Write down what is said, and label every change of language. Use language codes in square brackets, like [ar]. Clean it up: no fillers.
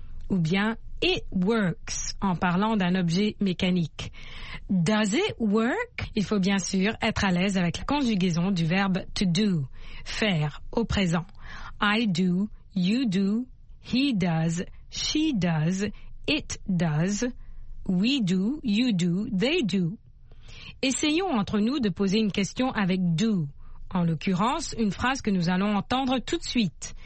[fr] Ou bien, [en] it works, [fr] en parlant d'un objet mécanique. [en] Does it work? [fr] Il faut bien sûr être à l'aise avec la conjugaison du verbe to do, faire, au présent. [en] I do, you do, he does, she does, it does, we do, you do, they do. [fr] Essayons entre nous de poser une question avec « do ». En l'occurrence, une phrase que nous allons entendre tout de suite.